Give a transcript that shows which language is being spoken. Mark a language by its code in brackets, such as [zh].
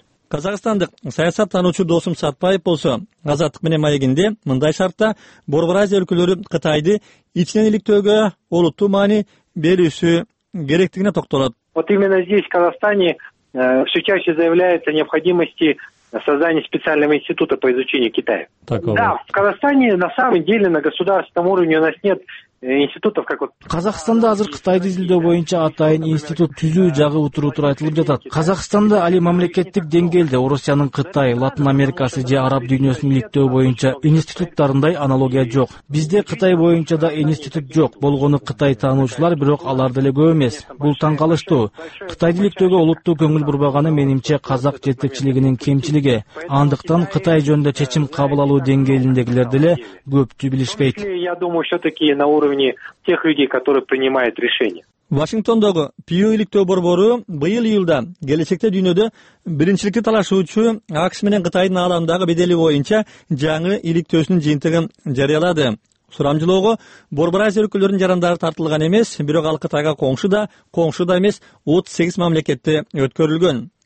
[ky] Казакстандык саясат таануучу Досум Сатпаев болсо, Азаттык менен маегинде мындай шартта Борбор Азия өлкөлөрү Кытайды ичинен иликтөөгө олуттуу маани берүүсү керектигине токтолот. [ru] Вот именно здесь, в Казахстане, все чаще заявляется о необходимости создания специального института по изучению Китая. Такого. Да, в Казахстане на самом деле на государственном уровне у нас нет институтов, как вот... [ky] Казахстанда азыр Кытайды изилдөө боюнча атайын институт түзүү жагы утуру-утуру айтылып жатат. Казахстанда али мамлекеттик деңгээлде Орусиянын Кытай, Латын Америкасы же Араб дүйнөсүн иликтөө боюнча институттарындай аналогия жок. Бизде Кытай боюнча да институт жок. Болгону Кытай таануучулар, бирок алар деле көп эмес. Бул таң калыштуу. Кытайды иликтөөгө олуттуу көңүл бурбаганы менимче казак жетекчилигинин кемчилиги. Андыктан Кытай жөнүндө чечим кабыл алуу деңгээлиндегилер деле көптү билишпейт. [ru] Уровне тех людей, которые принимают решения. [ky] Вашингтондогу Пью иликтөө борбору быйыл июлда келечекте дүйнөдө биринчиликти талашуучу АКШ менен Кытайдын ааламдагы бедели боюнча жаңы иликтөөсүнүн жыйынтыгын жарыялады. Сурамжылоого Борбор Азия өлкөлөрүнүн жарандары тартылган эмес, бирок ал Кытайга коңшу да, коңшу да эмес 38 мамлекетте өткөрүлгөн.